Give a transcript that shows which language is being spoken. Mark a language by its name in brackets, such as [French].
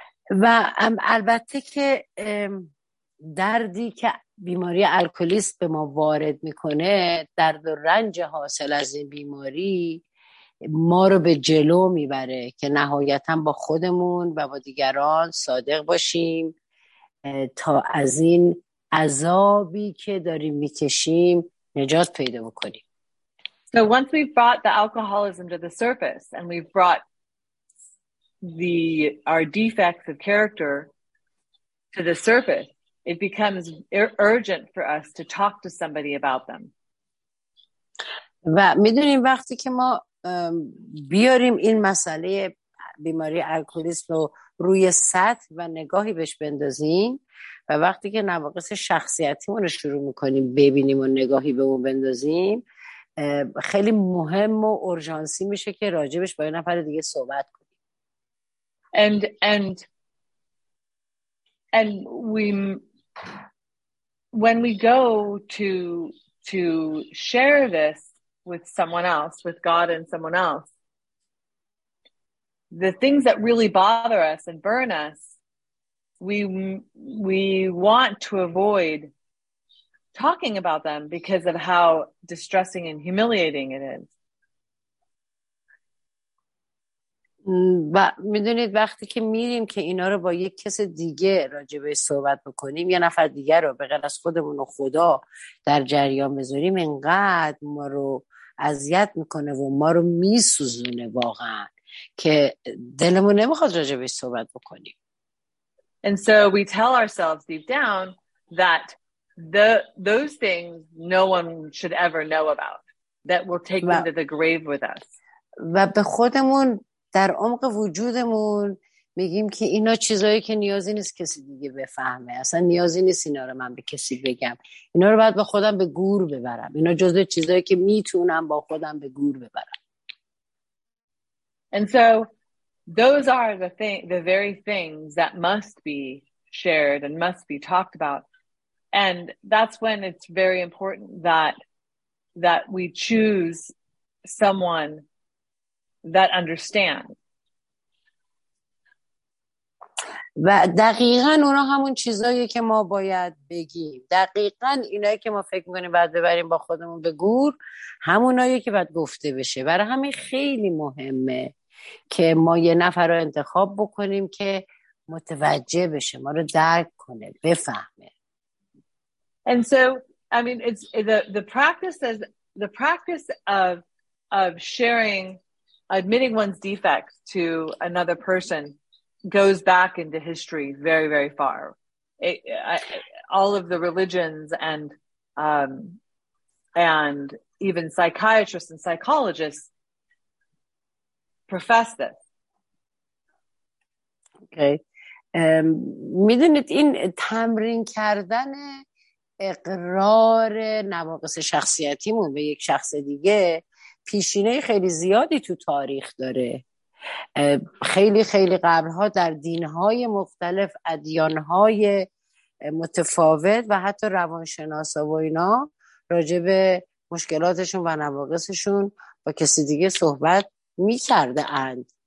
[Persian] و البته که دردی که بیماری الکلیست به ما وارد میکنه، درد و رنج حاصل از این بیماری ما رو به جلو میبره که نهایتا با خودمون و با دیگران صادق باشیم تا از این عذابی که داریم میکشیم نجات پیدا بکنیم. [English] So once we've brought the alcoholism to the surface and we've brought our defects of character to the surface, it becomes urgent for us to talk to somebody about them. [Persian] و میدونیم وقتی که ما بیاریم این مسئله بیماری الکلیسم رو روی سطح و نگاهی بهش بندازیم و وقتی که نواقص شخصیتیمون رو شروع میکنیم ببینیم و نگاهی به اون بندازیم، خیلی مهم و اورژانسی میشه که راجبش با یه نفر دیگه صحبت کنیم. [English] And when we go to share this with someone else, with God and someone else, the things that really bother us and burn us, we want to avoid talking about them because of how distressing and humiliating it is. [Persian] و میدونید وقتی که میریم که اینا رو با یک کس دیگه راجبه صحبت بکنیم، یه نفر دیگه رو به غیر از خودمون و خدا در جریان بذاریم، انقدر ما رو اذیت میکنه و ما رو میسوزونه واقعا که دلمون نمیخواد راجبه صحبت بکنیم. [English] And so we tell ourselves deep down that those things no one should ever know about, that will take them to the grave with us. [Persian] و به خودمون در عمق وجودمون میگیم که اینا چیزایی که نیازی نیست کسی دیگه بفهمه، اصلا نیازی نیست اینا رو من به کسی بگم، اینا رو باید با خودم به گور ببرم، اینا جزء چیزایی که میتونم با خودم به گور ببرم. [English] And so those are the very things that must be shared and must be talked about, and that's when it's very important that we choose someone that understands. [Persian] و دقیقاً اونا همون چیزایی که ما باید بگیم، دقیقاً اینایی که ما فکر می‌کنیم باید ببریم با خودمون به گور، همونایی که باید گفته بشه. برای همین خیلی مهمه که ما یه نفر رو انتخاب بکنیم که متوجه بشه، ما رو درک کنه، بفهمه. [English] And so I mean it's the practice of sharing, admitting one's defects to another person goes back into history very, very far. All of the religions and even psychiatrists and psychologists profess this. Okay. [Persian] میدونید این تمرین کردن اقرار نواقص شخصیتیمون به یک شخص دیگه پیشینه خیلی زیادی تو تاریخ داره. خیلی خیلی قبلها در دینهای مختلف، ادیانهای متفاوت و حتی روانشناسا و اینا راجب مشکلاتشون و نواقصشون با کسی دیگه صحبت می کرده اند.